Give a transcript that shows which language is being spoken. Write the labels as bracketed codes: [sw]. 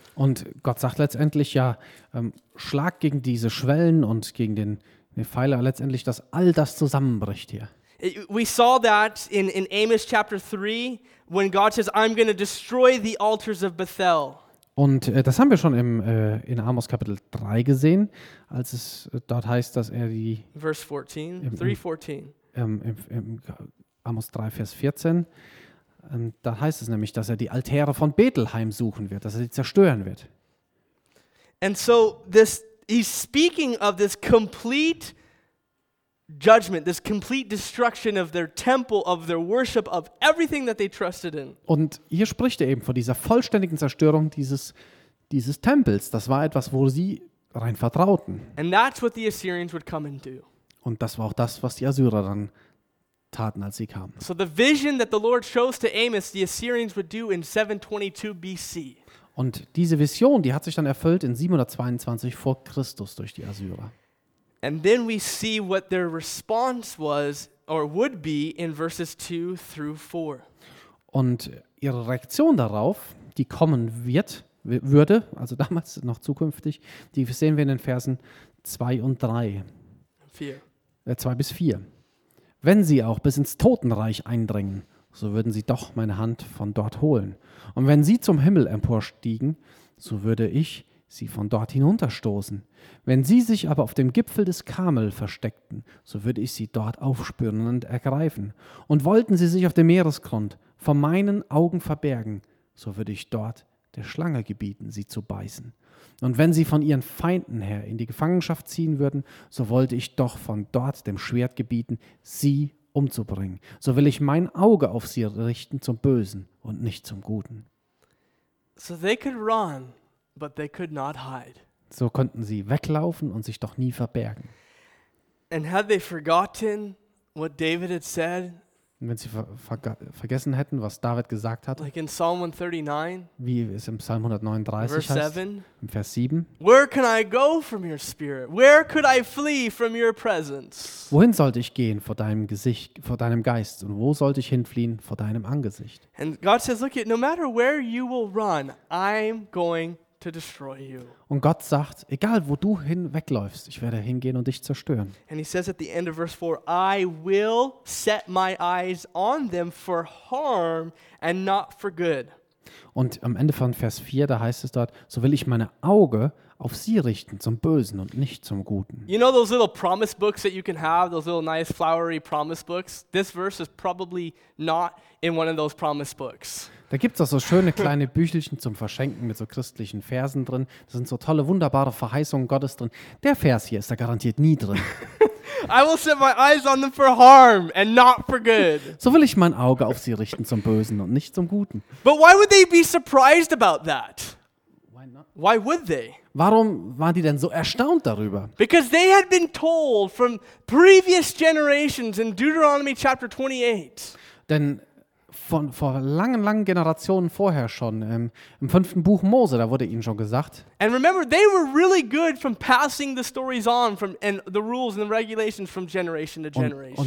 [de] Und Gott sagt letztendlich ja, schlag gegen diese Schwellen und gegen den Pfeiler letztendlich, dass all das zusammenbricht hier. [en] We saw that in Amos chapter 3 when God says, I'm going to destroy the altars of Bethel. [de] Und das haben wir schon im, in Amos Kapitel 3 gesehen, als es dort heißt, dass er die... [en] Verse 14, 3:14. [de] Im Amos 3, Vers 14. Da heißt es nämlich, dass er die Altäre von Bethel heimsuchen wird, dass er sie zerstören wird. [en] And so this, he's speaking of this complete judgment, this complete destruction of their temple, of their worship, of everything that they trusted in. [de] Und hier spricht er eben von dieser vollständigen Zerstörung dieses Tempels. Das war etwas, wo sie rein vertrauten. [en] And that's what the Assyrians would come and do. [de] Und das war auch das, was die Assyrer dann taten, als sie kamen. [en] So the vision that the Lord shows to Amos, the Assyrians would do in 722 BC. [de] Und diese Vision, die hat sich dann erfüllt in 722 vor Christus durch die Assyrer. [en] And then we see what their response was or would be in verses 2 through 4. [de] Und ihre Reaktion darauf, die kommen wird, würde, also damals noch zukünftig, die sehen wir in den Versen 2 und 3. 2 bis 4. Wenn sie auch bis ins Totenreich eindringen, so würden sie doch meine Hand von dort holen. Und wenn sie zum Himmel emporstiegen, so würde ich sie von dort hinunterstoßen. Wenn sie sich aber auf dem Gipfel des Karmel versteckten, so würde ich sie dort aufspüren und ergreifen. Und wollten sie sich auf dem Meeresgrund vor meinen Augen verbergen, so würde ich dort der Schlange gebieten, sie zu beißen. Und wenn sie von ihren Feinden her in die Gefangenschaft ziehen würden, so wollte ich doch von dort dem Schwert gebieten, sie umzubringen. So will ich mein Auge auf sie richten zum Bösen und nicht zum Guten. [en] So they could run, but they could not hide. [de] So konnten sie weglaufen und sich doch nie verbergen. [en] And had they forgotten what David had said? [de] Wenn sie vergessen hätten, was David gesagt hat, [en] like in Psalm 139, [de] wie es im Psalm 139 [en] verse 7, [de] heißt, im Vers 7, [en] where can I go from your spirit? Where could I flee from your presence? [de] Wohin sollte ich gehen vor deinem Gesicht, vor deinem Geist? Und wo sollte ich hinfliehen vor deinem Angesicht? [en] And God says, look, no matter where you will run, I'm going to destroy you. [de] Und Gott sagt, egal wo du hin wegläufst, ich werde hingehen und dich zerstören. [en] And he says at the end of verse 4, I will set my eyes on them for harm and not for good. [de] Und am Ende von Vers 4, da heißt es dort, so will ich meine Auge auf sie richten zum Bösen und nicht zum Guten. [en] You know those little promise books that you can have, those little nice flowery promise books? This verse is probably not in one of those promise books. [de] Da gibt's auch so schöne kleine Büchelchen zum Verschenken mit so christlichen Versen drin. Da sind so tolle, wunderbare Verheißungen Gottes drin. Der Vers hier ist da garantiert nie drin. [en] I will set my eyes on them for harm and not for good. [de] So will ich mein Auge auf sie richten zum Bösen und nicht zum Guten. [en] But why would they be surprised about that? Why not? Why would they? [de] Warum waren die denn so erstaunt darüber? [en] Because they had been told from previous generations in Deuteronomy chapter 28. [de] Denn vor langen, langen Generationen vorher schon, im fünften Buch Mose, da wurde ihnen schon gesagt. [en] And remember, they were really good from passing the stories on from and the rules and the regulations from generation to generation.